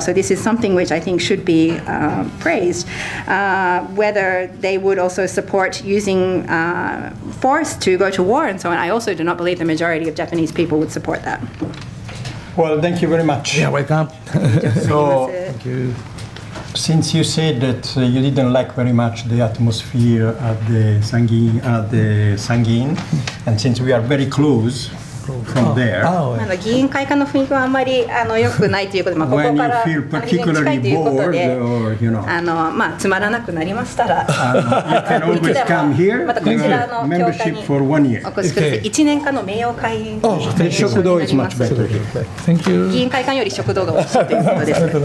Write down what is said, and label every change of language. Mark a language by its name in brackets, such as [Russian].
[English] So this is something which I think should be praised. Whether they would also support using force to go to war and so on, I also do not believe the majority of Japanese people would support that. Well, thank you very much. Yeah, welcome. So, thank you. Since you said that you didn't like very much the atmosphere at the Sangin, and since we are very close, from there. [Japanese] あの議員会館の雰囲気はあまりあのよくないということで、まあ、ここから [English] when you feel particularly bored or, you know. [Japanese] あの、まあ、つまらなくなりましたら、 [English] you can always come here. [Japanese] またこちらの [English] membership for 1 year. [Japanese] お越しください。1年間の名誉会員になります。 [English] Oh, 食堂 is much better. Thank you. [Japanese] 議員会館より食堂が美味しいということです。